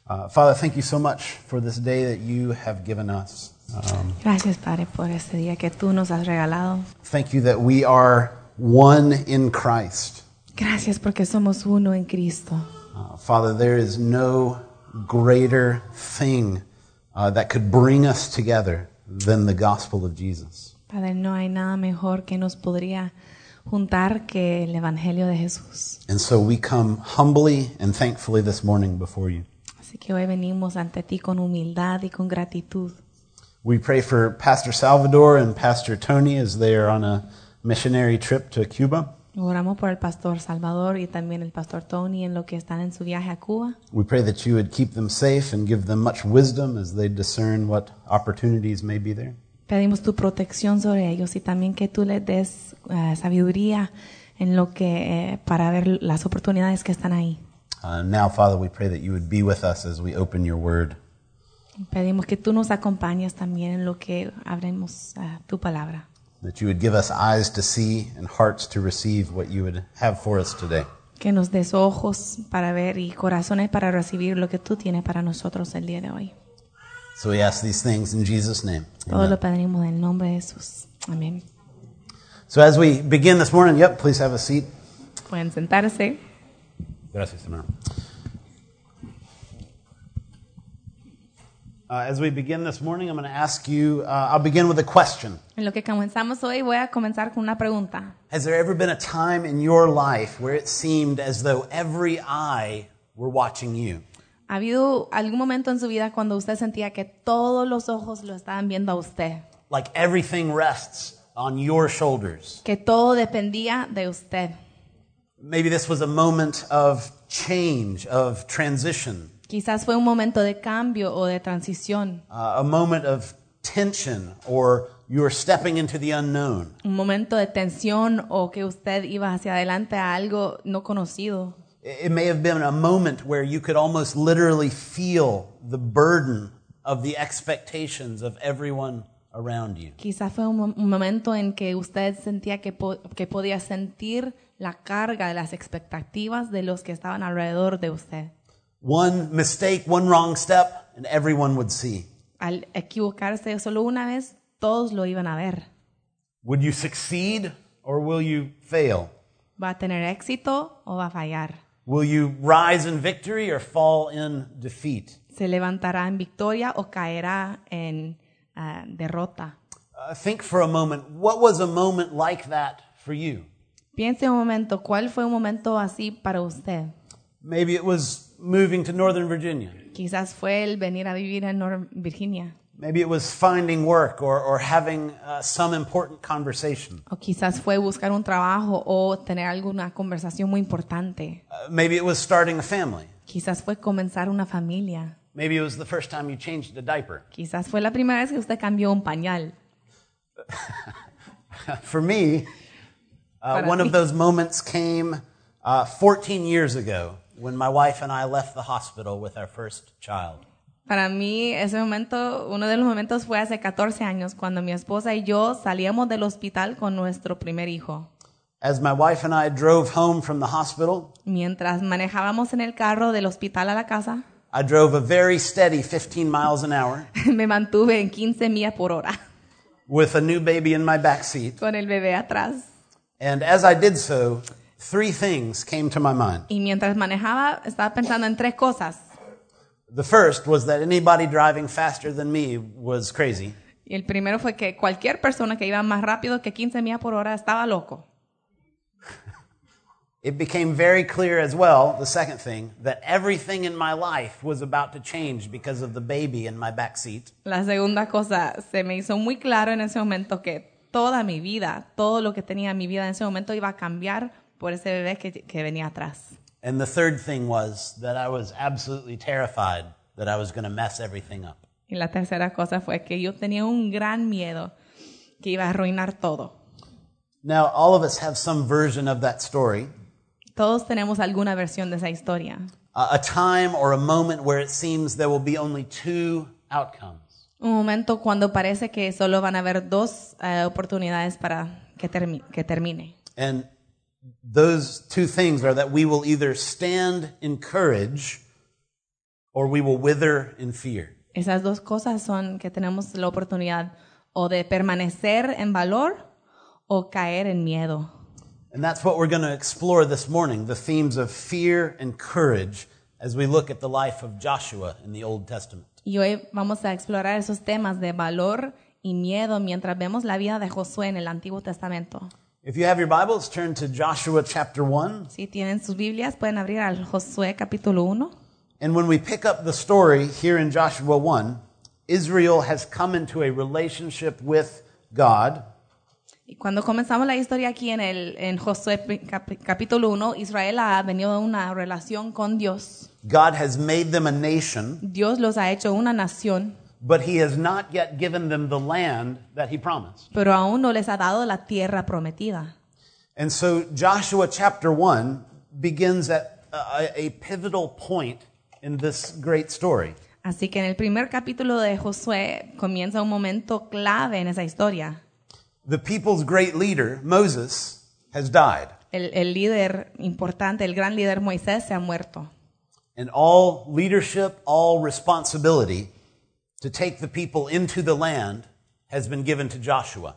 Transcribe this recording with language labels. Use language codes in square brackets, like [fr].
[en] Father, thank you so much for this day that you have given us. [es] Gracias, Padre, por este día que tú nos has regalado. [en] Thank you that we are one in Christ. [es] Gracias porque somos uno en Cristo. [en] Father, there is no greater thing that could bring us together than the gospel of Jesus. [es] Padre, no hay nada mejor que nos podría juntar que el Evangelio de Jesús. [en] And so we come humbly and thankfully this morning before you. [es] Así que hoy venimos ante ti con humildad y con gratitud. [en] We pray for Pastor Salvador and Pastor Tony as they are on a missionary trip to Cuba. [es] Oramos por el Pastor Salvador y también el Pastor Tony en lo que están en su viaje a Cuba. [en] We pray that you would keep them safe and give them much wisdom as they discern what opportunities may be there. [es] Pedimos tu protección sobre ellos y también que tú les des sabiduría en lo que para ver las oportunidades que están ahí. [en] Now, Father, we pray that you would be with us as we open your word. [es] Pedimos que tú nos acompañes también en lo que abremos tu palabra. [en] That you would give us eyes to see and hearts to receive what you would have for us today. [es] Que nos des ojos para ver y corazones para recibir lo que tú tienes para nosotros el día de hoy. [en] So we ask these things in Jesus' name. [es] Todo lo pedimos en el nombre de Jesús. Amén. [en] So as we begin this morning, yep, please have a seat. [es] Pueden sentarse. Gracias, hermano. [en] As we begin this morning, I'm going to ask you, I'll begin with a question. [es] En lo que comenzamos hoy, voy a comenzar con una pregunta. [en] Has there ever been a time in your life where it seemed as though every eye were watching you? [es] ¿Ha habido algún momento en su vida cuando usted sentía que todos los ojos lo estaban viendo a usted? [en] Like everything rests on your shoulders. [es] Que todo dependía de usted. [en] Maybe this was a moment of change, of transition. [es] Quizás fue un momento de cambio o de transición. [en] A moment of tension or you're stepping into the unknown. [es] Un momento de tensión o que usted iba hacia adelante a algo no conocido. [en] It may have been a moment where you could almost literally feel the burden of the expectations of everyone around you. [es] Quizás fue un momento en que usted sentía que podía sentir la carga de las expectativas de los que estaban alrededor de usted. [en] One mistake, one wrong step, and everyone would see. [es] Al equivocarse solo una vez, todos lo iban a ver. [en] Would you succeed or will you fail? [es] ¿Va a tener éxito o va a fallar? [en] Will you rise in victory or fall in defeat? [es] ¿Se levantará en victoria o caerá en derrota? [en] Think for a moment, what was a moment like that for you? [es] Piense un momento, ¿cuál fue un momento así para usted? [en] Maybe it was moving to Northern Virginia. [es] Quizás fue el venir a vivir en Virginia. [en] Maybe it was finding work or having some important conversation. [es] O quizás fue buscar un trabajo o tener alguna conversación muy importante. [en] Maybe it was starting a family. [es] Quizás fue comenzar una familia. [en] Maybe it was the first time you changed a diaper. [es] Quizás fue la primera vez que usted cambió un pañal. [en] For me, one of those moments came 14 years ago. When my wife and I left the hospital with our first child. [es] Para mí, ese momento, uno de los momentos fue hace 14 años, cuando mi esposa y yo salíamos del hospital con nuestro primer hijo. [en] As my wife and I drove home from the hospital, [es] mientras manejábamos en el carro del hospital a la casa, [en] I drove a very steady 15 miles an hour. [es] Me mantuve en 15 millas por hora. [en] With a new baby in my back seat. [es] Con el bebé atrás. [en] And as I did so, three things came to my mind. [es] Y mientras manejaba, estaba pensando en tres cosas. [en] The first was that anybody driving faster than me was crazy. [es] Y el primero fue que cualquier persona que iba más rápido que 15 millas por hora estaba loco. [en] It became very clear as well, the second thing, that everything in my life was about to change because of the baby in my back seat. [es] La segunda cosa se me hizo muy claro en ese momento que toda mi vida, todo lo que tenía en mi vida en ese momento iba a cambiar por ese bebé que venía atrás. [en] And the third thing was that I was absolutely terrified that I was going to mess everything up. [es] Y la tercera cosa fue que yo tenía un gran miedo que iba a arruinar todo. [en] Now, all of us have some version of that story. [es] Todos tenemos alguna versión de esa historia. [en] A time or a moment where it seems there will be only two outcomes. [es] Un momento cuando parece que solo van a haber dos oportunidades para que termine. [en] And those two things are that we will either stand in courage or we will wither in fear. [es] Esas dos cosas son que tenemos la oportunidad o de permanecer en valor o caer en miedo. [en] And that's what we're going to explore this morning, the themes of fear and courage as we look at the life of Joshua in the Old Testament. [es] Y hoy vamos a explorar esos temas de valor y miedo mientras vemos la vida de Josué en el Antiguo Testamento. [en] If you have your Bibles, turn to Joshua chapter 1. [es] Si tienen sus Biblias, pueden abrir al Josué capítulo 1. [en] And when we pick up the story here in Joshua 1, Israel has come into a relationship with God. [es] Y cuando comenzamos la historia aquí en Josué capítulo 1, Israel ha venido a una relación con Dios. [en] God has made them a nation. [es] Dios los ha hecho una nación. [en] But he has not yet given them the land that he promised. [es] Pero aún no les ha dado la tierra prometida. [en] And so Joshua chapter 1 begins at a pivotal point in this great story. [es] Así que en el primer capítulo de Josué comienza un momento clave en esa historia. [en] The people's great leader, Moses, has died. [es] El líder importante, el gran líder Moisés, se ha muerto. [en] And all leadership, all responsibility to take the people into the land has been given to Joshua.